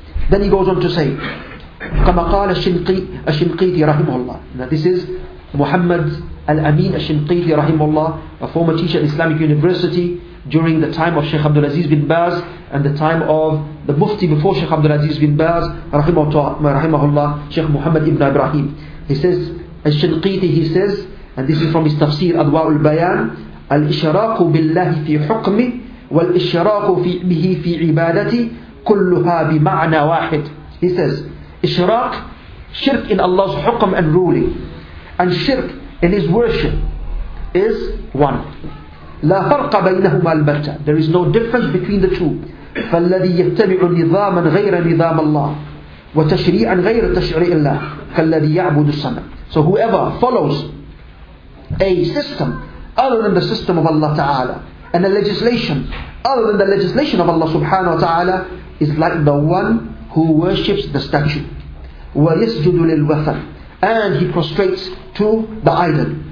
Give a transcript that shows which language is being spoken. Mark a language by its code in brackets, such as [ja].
[en] Then he goes on to say, [ar] كما قال الشنقيطي رحمه الله. [en] Now this is Muhammad Al-Amin الشنقيطي رحمه الله, a former teacher at Islamic University during the time of Sheikh Abdul Aziz bin Baz and the time of the Mufti before Sheikh Abdul Aziz bin Baz رحمه الله, Sheikh Muhammad Ibn Ibrahim. He says, الشنقيطي, he says, and this is from his tafsir [ar] أضواء البيان, الإشراك بالله في حكمه والإشراك به في عبادتي كلها بمعنى واحد. [en] He says, Ishraq, shirk in Allah's hukm and ruling, and shirk in His worship is one. [ar] لا فرق بينهما البتة. [en] There is no difference between the two. [ar] فالذي يتبع نظاما غير نظام الله وتشريعا غير تشريع الله كالذي يعبد الصنم. [en] So whoever follows a system other than the system of Allah Ta'ala and a legislation other than the legislation of Allah Subhanahu wa Ta'ala is like the one who worships the statue. [ar] وَيَسْجُدُ لِلْوَثَنِ, [en] and he prostrates to the idol.